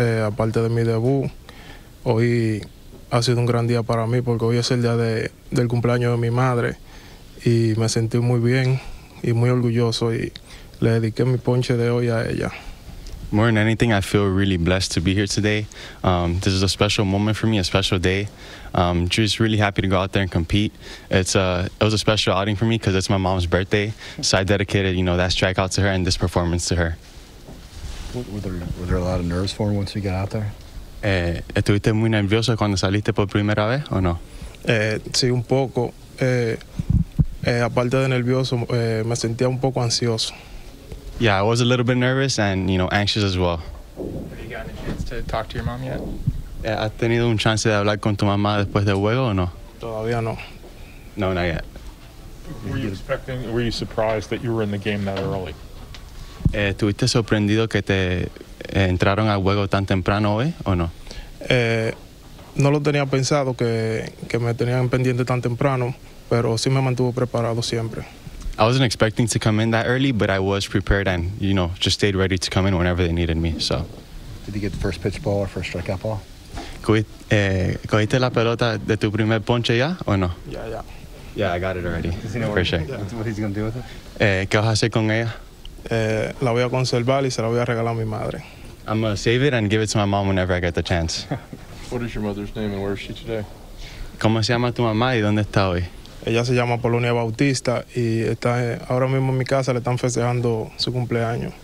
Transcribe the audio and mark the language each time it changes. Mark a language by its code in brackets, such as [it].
[es] Aparte de mi debut, hoy ha sido un gran día para mí porque hoy es el día del cumpleaños de mi madre y me sentí muy bien y muy orgulloso y le dediqué mi ponche de hoy a ella. [en] More than anything, I feel really blessed to be here today. This is a special moment for me, a special day. Just really happy to go out there and compete. It was a special outing for me because it's my mom's birthday, so I dedicated, you know, that strikeout to her and this performance to her. Were there a lot of nerves for him once you got out there? [es] ¿Estuviste muy nervioso cuando saliste por primera vez o no? Sí, un poco. Aparte de nervioso, me sentía un poco ansioso. [en] Yeah, I was a little bit nervous and, you know, anxious as well. Have you gotten a chance to talk to your mom yet? [es] ¿Has tenido un chance de hablar con tu mamá después del juego o no? Todavía no. [en] No, not yet. Were you surprised that you were in the game that early? [es] ¿Estuviste sorprendido que te entraron al juego tan temprano hoy o no? No lo tenía pensado que me tenían pendiente tan temprano, pero sí me mantuvo preparado siempre. [en] I wasn't expecting to come in that early, but I was prepared and, you know, just stayed ready to come in whenever they needed me, so. Did you get the first pitch ball or first strikeout ball? [es] ¿Cogiste la pelota de tu primer ponche ya o no? [en] Yeah, I got it already. Does he know for sure. What he's going to do with it? [es] ¿Qué vas a hacer con ella? La voy a conservar y se la voy a regalar a mi madre. [en] I'm going to save it and give it to my mom whenever I get the chance. What is your mother's name and where is she today? [es] ¿Cómo se llama tu mamá y dónde está hoy? Ella se llama Polonia Bautista y está ahora mismo en mi casa, le están festejando su cumpleaños.